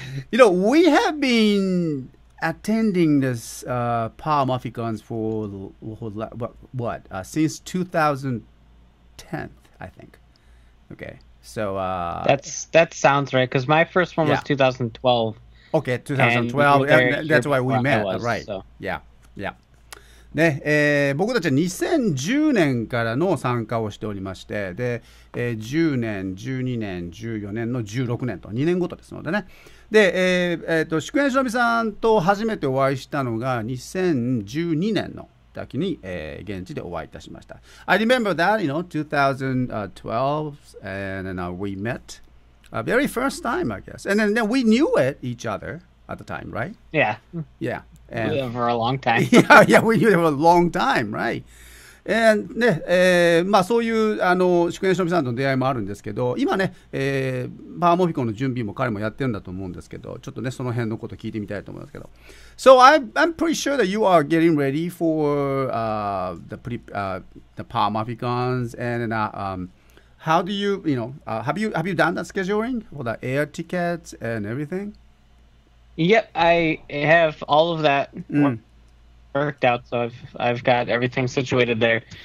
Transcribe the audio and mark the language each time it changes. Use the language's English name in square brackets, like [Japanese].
[English] You know, we have been attending this Palmoficon for, since 2010, I think. Okay. So, that sounds right, because my first one was 2012. Okay, 2012. And that's why we met, right? So. Yeah, yeah. [Japanese] で、僕たちは2010年からの参加をしておりまして、で、10年、12年、14年の16年と2年ごとですのでね。で、宿縁忍さんと初めてお会いしたのが2012年の時に、現地でお会いいたしました。 [English] I remember that, you know, 2012, and then we met a very first time, I guess. And then we knew it each other at the time, right? Yeah. Yeah. And, we knew for a long time. yeah, we knew it for a long time, right? [Japanese] And, ね、まあそういう、宿縁忍さんとの出会いもあるんですけど、今ね、パワーモフィコンの準備も彼もやってるんだと思うんですけど、ちょっとね、その辺のこと聞いてみたいと思いますけど。 [English] So I'm pretty sure that you are getting ready for the Power Mafficons and how do you have you done that scheduling for the air tickets and everything? Yep, I have all of that worked out, so I've got everything situated there.